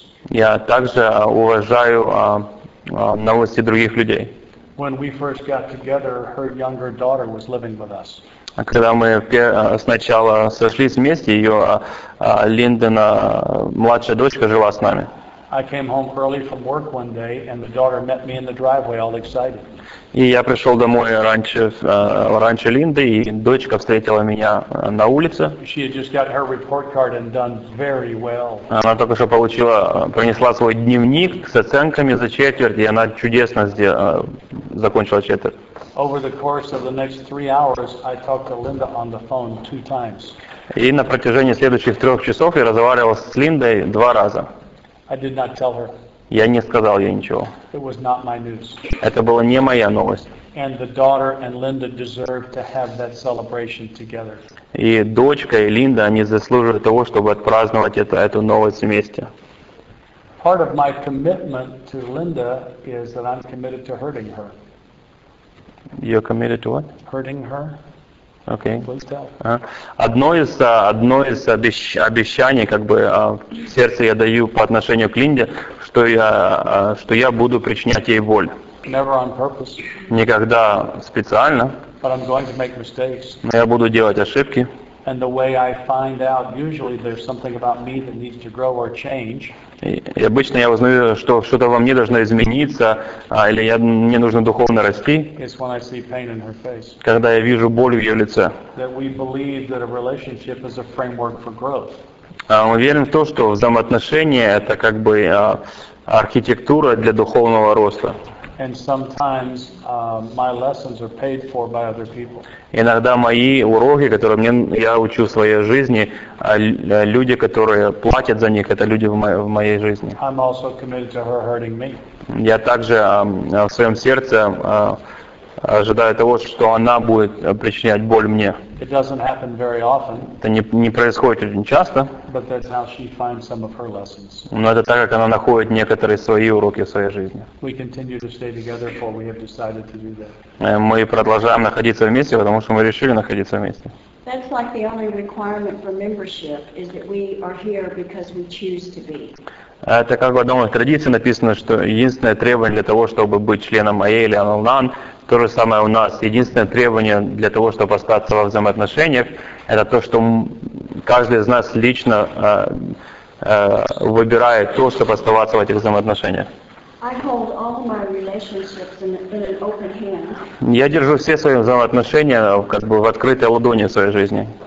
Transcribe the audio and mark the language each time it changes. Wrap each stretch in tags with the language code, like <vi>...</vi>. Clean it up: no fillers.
<ru>Я также уважаю новости других людей.</ru> <en>When we first got together, her younger daughter was living with us.</en> <ru>Когда мы сначала сошлись вместе, ее Линдена младшая дочка жила с нами.</ru> <en>I came home early from work one day, and the daughter met me in the driveway, all excited.</en> <ru>И я пришел домой раньше Линды, и дочка встретила меня на улице.</ru> <en>She had just got her report card and done very well.</en> <ru>Она только что принесла свой дневник с оценками за четверть, и она чудесно закончила четверть.</ru> <en>Over the course of the next 3 hours, I talked to Linda on the phone 2 times.</en> <ru>И на протяжении следующих 3 часов я разговаривал с Линдой 2 раза.</ru> <en>I did not tell her.</en> <ru>Я не сказал ей ничего.</ru> <en>It was not my news.</en> <ru>Это была не моя новость.</ru> <en>And the daughter and Linda deserve to have that celebration together.</en> <ru>И дочка и Линда, они заслуживают того, чтобы отпраздновать эту новость вместе.</ru> <en>Part of my commitment to Linda is that I'm committed to hurting her. You're committed to what? Hurting her. Okay. Please tell.</en> <ru>Одно из обещаний, как бы в сердце я даю по отношению к Линде, что я буду причинять ей боль.</ru> <en>Never on purpose.</en> <ru>Никогда специально.</ru> <en>But I'm going to make mistakes.</en> <ru>Но я буду делать ошибки.</ru> <en>And the way I find out, usually there's something about me that needs to grow or change.</en> <ru>И обычно я узнаю, что что-то во мне должно измениться, или мне нужно духовно расти.</ru> <en>It's when I see pain in her face.</en> <ru>Когда я вижу боль в ее лице.</ru> <en>That we believe that a relationship is a framework for growth.</en> <ru>Мы верим в то, что взаимоотношения — это как бы архитектура для духовного роста.</ru> <en>And sometimes my lessons are paid for by other people.</en> <ru>Иногда мои уроки, которые я учу в своей жизни, люди, которые платят за них, это люди в моей жизни.</ru> <en>I'm also committed to her hurting me.</en> <ru>Я также в своем сердце ожидаю того, что она будет причинять боль мне.</ru> <en>It doesn't happen very often.</en> <ru>Это не происходит очень часто.</ru> <en>But that's how she finds some of her lessons.</en> <ru>Но это так, как она находит некоторые свои уроки в своей жизни.</ru> <en>We continue to stay together, for we have decided to do that.</en> <ru>Мы продолжаем находиться вместе, потому что мы решили находиться вместе.</ru> <en>That's like the only requirement for membership is that we are here because we choose to be.</en> <ru>Это как в одной традиции написано, что единственное требование для того, чтобы быть членом АА или Ал-Анон, то же самое у нас. Единственное требование для того, чтобы остаться во взаимоотношениях, это то, что каждый из нас лично выбирает то, чтобы оставаться в этих взаимоотношениях.</ru> <en>I hold all my relationships in an open hand.</en> <ru>Я держу все свои взаимоотношения как бы в открытой ладони в своей жизни.</ru>